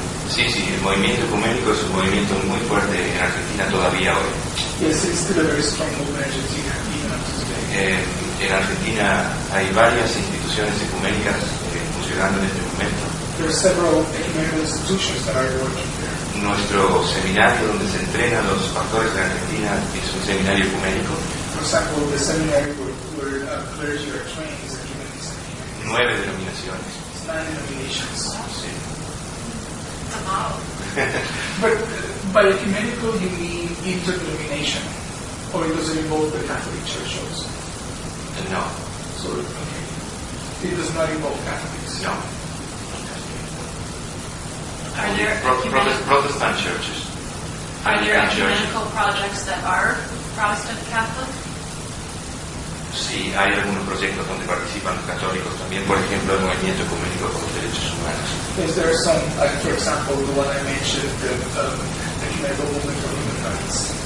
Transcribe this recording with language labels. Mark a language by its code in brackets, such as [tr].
[es] Sí, sí, el movimiento ecuménico es un movimiento muy fuerte en Argentina todavía hoy. [en] Yes, it's still a very strong movement in Argentina today. [es] En Argentina hay varias instituciones ecuménicas funcionando en este momento. [en] There are several ecumenical institutions that are working there. [es] Nuestro seminario donde se entrenan los pastores de Argentina es un seminario ecuménico. [en] For example, the seminary where clergy are trained is ecumenical. [es] 9 denominaciones. [en] It's 9 denominations. [es] Sí. [en] But by ecumenical you mean interdenomination, or does it involve the Catholic Church also? [es] No. [en] So okay. It does not involve Catholics. [es] No. [en] Are there Protestant churches? Are there ecumenical projects that are Protestant Catholic? [es] Sí, hay algunos proyectos donde participan los católicos también, por ejemplo, el movimiento ecuménico por los derechos humanos. [en] Is there some, like, for example, the one I mentioned, the ecumenical movement for human rights?